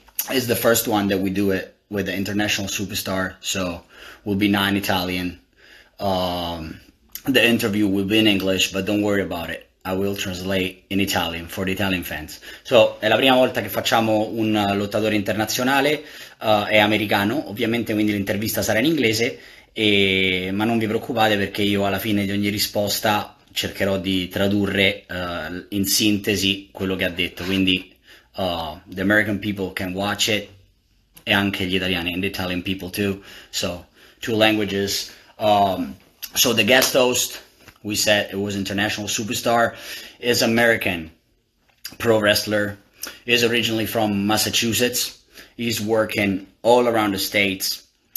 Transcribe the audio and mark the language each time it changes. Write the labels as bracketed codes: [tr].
[en] It's the first one that we do it with an international superstar. So we'll be non-Italian. The interview will be in English, but don't worry about it. I will translate in Italian for the Italian fans. [it] So è la prima volta che facciamo un lottatore internazionale. È americano, ovviamente, quindi l'intervista sarà in inglese. Ma non vi preoccupate perché io alla fine di ogni risposta cercherò di tradurre in sintesi quello che ha detto. [en] Quindi the American people can watch it [it] e anche gli italiani [en] and the Italian people too. So two languages. So the guest host, we said it was international superstar, is American pro wrestler, is originally from Massachusetts, he's working all around the States.